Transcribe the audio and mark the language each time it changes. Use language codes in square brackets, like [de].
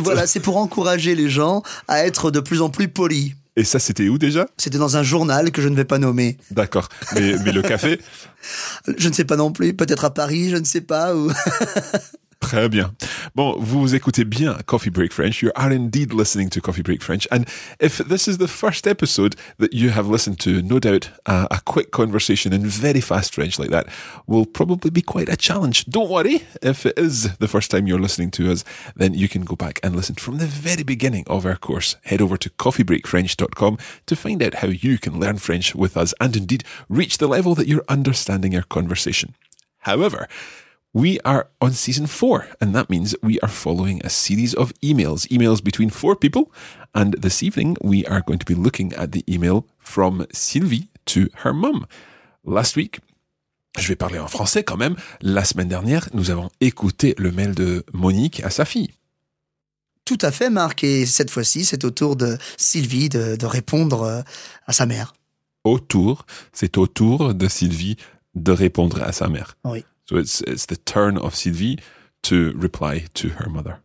[fr] Voilà, c'est pour encourager les gens à être de plus en plus polis. Et ça, c'était où déjà? C'était dans un journal que je ne vais pas nommer. D'accord. Mais le café? Je ne sais pas non plus. Peut-être à Paris, je ne sais pas. Ou... Très bien. Bon, vous écoutez bien Coffee Break French. [en] You are indeed listening to Coffee Break French. And if this is the first episode that you have listened to, no doubt a quick conversation in very fast French like that will probably be quite a challenge. Don't worry, if it is the first time you're listening to us, then you can go back and listen from the very beginning of our course. Head over to coffeebreakfrench.com to find out how you can learn French with us and indeed reach the level that you're understanding our conversation. However, we are on season 4, and that means we are following a series of emails. Emails between four people, and this evening we are going to be looking at the email from Sylvie to her mum. Last week, [fr] je vais parler en français quand même, la semaine dernière, nous avons écouté le mail de Monique à sa fille. Tout à fait, Marc, et cette fois-ci, c'est au tour de Sylvie de répondre à sa mère. C'est au tour de Sylvie de répondre à sa mère. Oui. [en] So it's the turn of Sylvie to reply to her mother.